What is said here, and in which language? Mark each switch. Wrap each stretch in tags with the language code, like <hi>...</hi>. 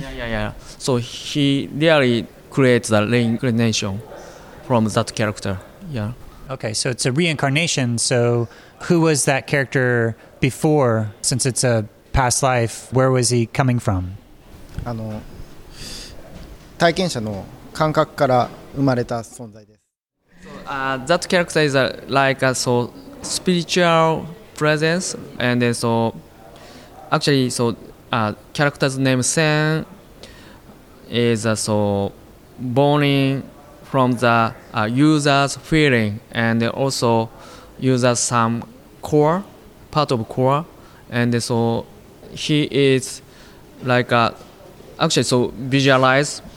<en>Yeah. So he really creates the reincarnation from that character. Yeah. Okay. So it's a reincarnation. So who was that character before? Since it's a past life, where was he coming from?</en> <ja>体験者の感覚から生まれた存在です.</ja> <en>That character is like a spiritual presence, and then so actually so character's name Sen is so born in from the user's feeling, and also uses some core part of core, and so he is like actually so visualize.</en>